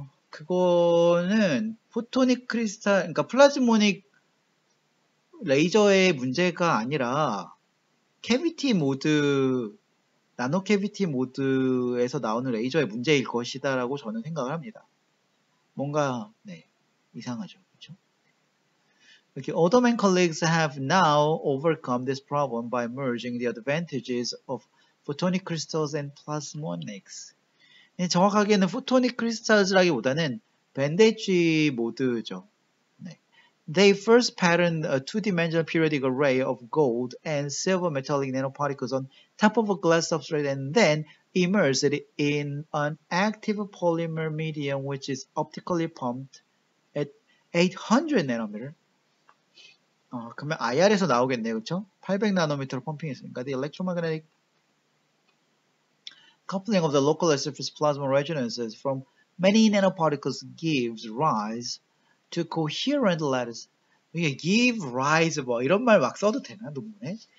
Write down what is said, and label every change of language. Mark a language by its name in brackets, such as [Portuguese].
[Korean] 그거는 포토닉 크리스탈, 그러니까 플라즈모닉 레이저의 문제가 아니라 캐비티 모드, 나노 캐비티 모드에서 나오는 레이저의 문제일 것이다 라고 저는 생각을 합니다. 뭔가 네 이상하죠. 그렇죠? 이렇게 [English] Odom and colleagues have now overcome this problem by merging the advantages of photonic crystals and plasmonics. [Korean] 정확하게는 photonic crystals라기보다는 밴드엣지 모드죠. 네. [English] They first patterned a two-dimensional periodic array of gold and silver metallic nanoparticles on top of a glass substrate and then immersed it in an active polymer medium which is optically pumped at 800 nanometer. [Korean] 그러면 IR에서 나오겠네요, 그렇죠? [English] 800 nanometer [Korean] 펌핑했으니까 [English] the electromagnetic coupling of the local surface plasma resonances from many nanoparticles gives rise to coherent lattice. Give rise [Korean] 뭐 이런 말 막 써도 되나 논문에?